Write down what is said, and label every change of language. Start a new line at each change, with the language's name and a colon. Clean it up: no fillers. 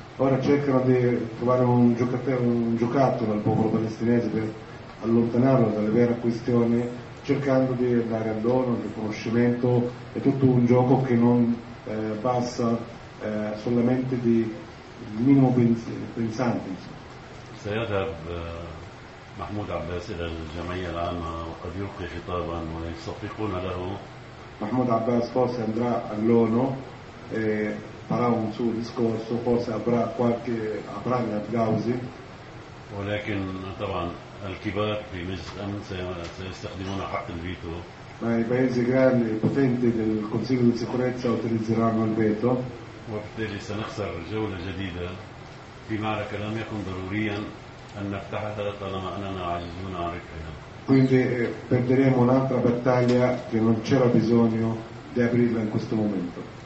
Italian: Ora cercano di trovare un giocattolo al popolo palestinese per allontanarlo dalle vere questioni, cercando di dare a loro un riconoscimento. È tutto un gioco che non passa solamente di minimo pensante.
Arabic: سيذهب محمود عباس إلى الجمعية العامة وقد يلقي خطابا ويستفيقون له.
Italian: محمود عباس forse andrà all'ONU e farà un suo discorso, forse avrà gli applausi.
Arabic: ولكن طبعا الكبار في مجلس الأمن سيستخدمون حق الفيتو.
Italian: Ma i paesi grandi, i potenti del Consiglio di Sicurezza utilizzeranno il veto.
Arabic: وبالتالي سنخسر جولة جديدة في معركة لم يكن ضروريا أن نفتحها طالما أننا عاجزون عن ربحها.
Italian: Quindi perderemo un'altra battaglia che non c'era bisogno di aprirla in questo momento.